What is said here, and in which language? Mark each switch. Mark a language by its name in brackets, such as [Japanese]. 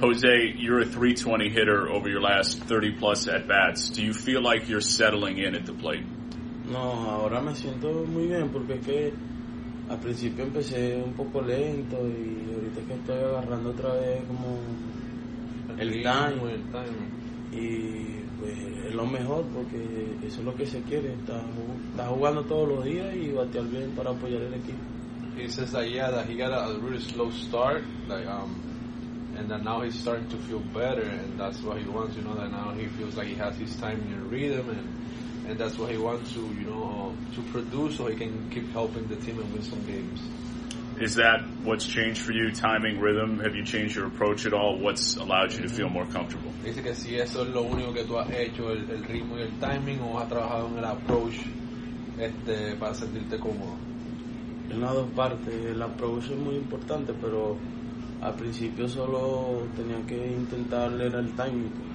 [English] Jose, you're a 320 hitter over your last 30-plus at-bats. Do you feel like you're settling in at the plate? [Spanish] No, ahora me siento muy bien porque es que al principio empecé un poco lento y ahorita es que estoy agarrando otra vez como el time. Y pues es lo mejor porque eso es lo que se quiere, está jugando todos los días y batear bien para apoyar el equipo. [English] He says that, yeah, that he got a really slow start, like, and that now he's starting to feel better, and that's what he wants, you know, that now he feels like he has his time in rhythm, and that's what he wants to, you know, to produce so he can keep helping the team and win some games. Is that what's changed for you, timing, rhythm? Have you changed your approach at all? What's allowed you to feel more comfortable? [Spanish] Dice que si eso es lo único que tú has hecho, el ritmo y el timing, o has trabajado en el approach para sentirte cómodo. En las dos partes, el approach es muy importante, pero al principio solo tenía que intentar leer el timing.